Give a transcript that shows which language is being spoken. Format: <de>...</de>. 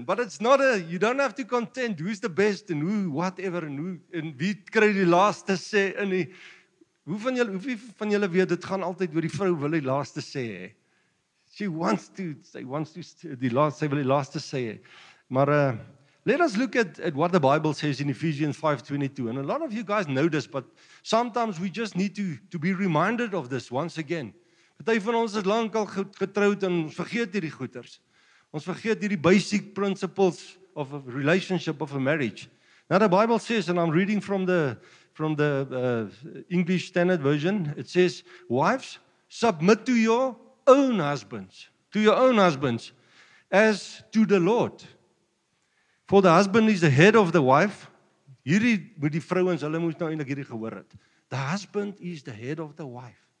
<en>But it's not you don't have to contend who's the best and who</en> <af>wie kry die laaste sê in die. Hoeveel van julle weet dit gaan altyd oor die vrou wil die laaste sê.</af> <en>She wants to say the last. Maar let us look at what the Bible says in Ephesians 5:22. And a lot of you guys know this, but sometimes we just need to be reminded of this once again.</en> <af>Party van ons is lank al getroud en ons vergeet hierdie goeters. Ons vergeet hierdie</af> <en>basic principles of a relationship of a marriage. Now the Bible says, and I'm reading from the English Standard Version, it says, wives, submit to your own husbands, as to the Lord. For the husband is the head of the wife.</en> <af>Hierdie moet die vrouens, hulle moet nou eintlik hierdie gehoor het.</af> <en>The husband is the head of the wife.</en>